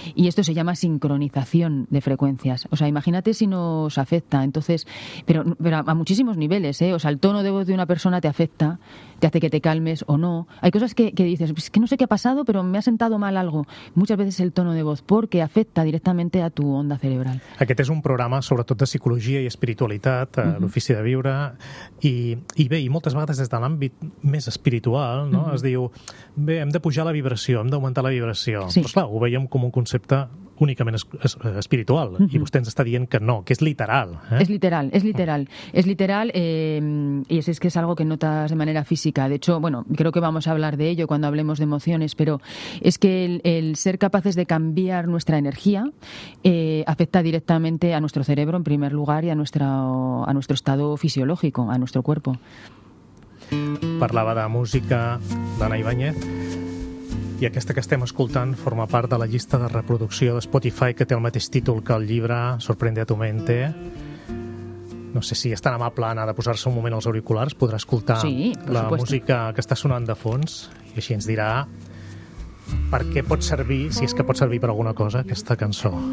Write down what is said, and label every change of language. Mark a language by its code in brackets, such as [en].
[es] Y esto se llama sincronización de frecuencias. O sea, imagínate si nos afecta, entonces, pero a muchísimos niveles, ¿eh? O sea, el tono de voz de una persona te afecta, te hace que te calmes o no. Hay cosas que dices, es que no sé qué ha pasado, pero me ha sentado mal algo. Muchas veces el tono de voz, porque afecta directamente a tu onda cerebral. [ca] Aquest és un programa sobretot de psicologia i espiritualitat, l'Ofici de Viure, i bé, i moltes vegades des de l'àmbit més espiritual, no? Es diu, bé, hem de pujar la vibració, hem d'augmentar la vibració. Sí. Però clar, ho veiem com un concepte únicament espiritual, i vostè ens està dient que no, que és literal. És literal. És literal i és que és [es] algo que notas de manera física. De hecho, bueno, creo que vamos a hablar de ello cuando hablemos de emociones, pero es que el ser capaces de cambiar nuestra energía afecta directamente a nuestro cerebro en primer lugar y a nuestro estado fisiológico, a nuestro cuerpo. [ca] Parlava de música d'Anna Ibáñez. I aquesta que estem escoltant forma part de la llista de reproducció de Spotify que té el mateix títol que el llibre Sorprende a tu mente. No sé si és tan amable, Anna, de posar-se un moment als auriculars, podrà escoltar sí, la [es] supuesto. [ca] Música que està sonant de fons i així ens dirà per què pot servir, si és que pot servir per alguna cosa, aquesta cançó.